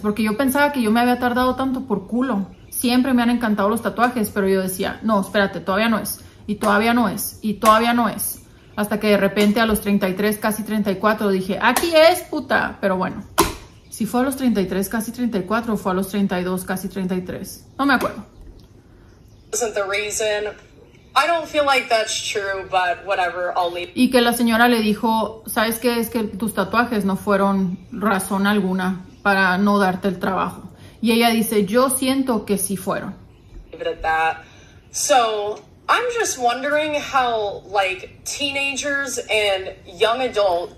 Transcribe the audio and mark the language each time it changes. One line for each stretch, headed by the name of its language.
Spanish: Porque yo pensaba que yo me había tardado tanto por culo. Siempre me han encantado los tatuajes, pero yo decía, no, espérate, todavía no es. Y todavía no es. Y todavía no es. Hasta que de repente a los 33, casi 34, dije, aquí es, puta. Pero bueno, si fue a los 33, casi 34, o fue a los 32, casi 33. No me acuerdo.
English: Isn't the reason... I don't feel like that's true, but whatever, I'll leave.
Spanish: Y que la señora le dijo, ¿sabes qué? Es que tus tatuajes no fueron razón alguna para no darte el trabajo. Y ella dice, yo siento que sí fueron.
English: Leave it at that. So, I'm just wondering how, like, teenagers and young adults...